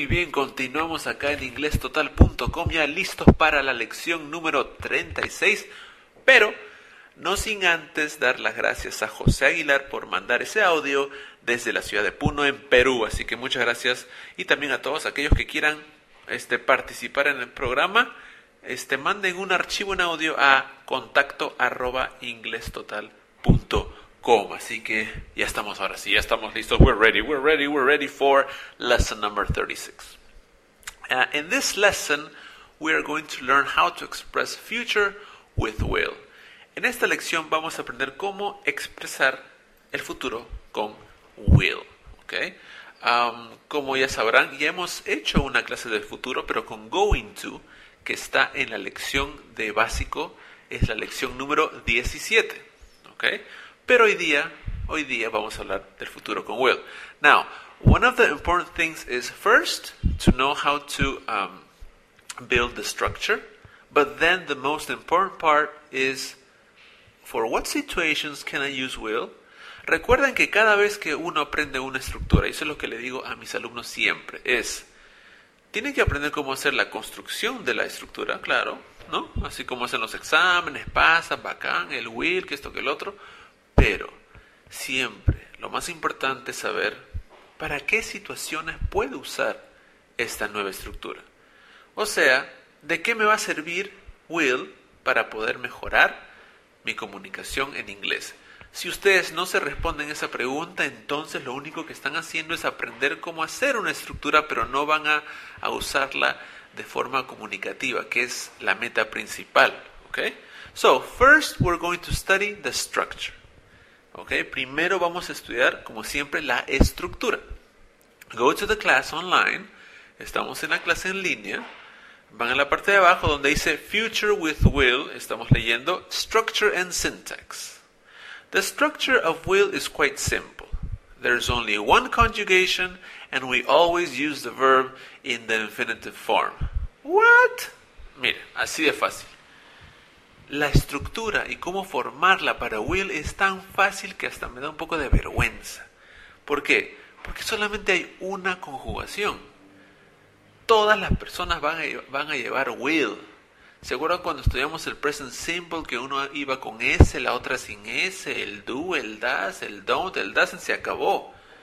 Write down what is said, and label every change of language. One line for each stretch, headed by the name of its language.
Spanish: Continuamos acá en inglestotal.com, ya listos para la lección número 36, pero no sin antes dar las gracias a José Aguilar por mandar ese audio desde la ciudad de Puno en Perú, así que muchas gracias, y también a todos aquellos que quieran participar en el programa, manden un archivo en audio a contacto@inglestotal.com, así que ya estamos ahora sí, ya estamos listos,
English: we're ready for lesson number 36. In this lesson, we are going to learn how to express future with will.
Spanish: En esta lección vamos a aprender cómo expresar el futuro con will. Okay? Como ya sabrán, ya hemos hecho una clase del futuro, pero con going to, que está en la lección de básico, es la lección número 17. Okay? Pero hoy día vamos a hablar del futuro con will.
English: Now, one of the important things is first to know how to build the structure, but then the most important part is for what situations can I use will.
Spanish: Recuerden que cada vez que uno aprende una estructura, eso es lo que le digo a mis alumnos siempre, es tiene que aprender cómo hacer la construcción de la estructura, claro, ¿no? Así como hacen los exámenes, pasa, bacán, el will, que esto, que el otro, pero siempre lo más importante es saber ¿para qué situaciones puedo usar esta nueva estructura? O sea, ¿de qué me va a servir will para poder mejorar mi comunicación en inglés? Si ustedes no se responden esa pregunta, entonces lo único que están haciendo es aprender cómo hacer una estructura, pero no van a usarla de forma comunicativa, que es la meta principal. ¿Okay?
English: So, first we're going to study the structure.
Spanish: Okay, primero vamos a estudiar, como siempre, la estructura.
English: Go to the class online.
Spanish: Estamos en la clase en línea. Van a la parte de abajo donde dice Future with Will. Estamos leyendo
English: Structure and Syntax. The structure of will is quite simple. There's only one conjugation and we always use the verb in the infinitive form. What?
Spanish: Así de fácil. La estructura y cómo formarla para Will es tan fácil que hasta me da un poco de vergüenza. ¿Por qué? Porque solamente hay una conjugación. Todas las personas van a llevar will. ¿Se acuerdan cuando estudiamos el present simple que uno iba con S, la otra sin S, el do, el does, el don't, el doesn't, se acabó?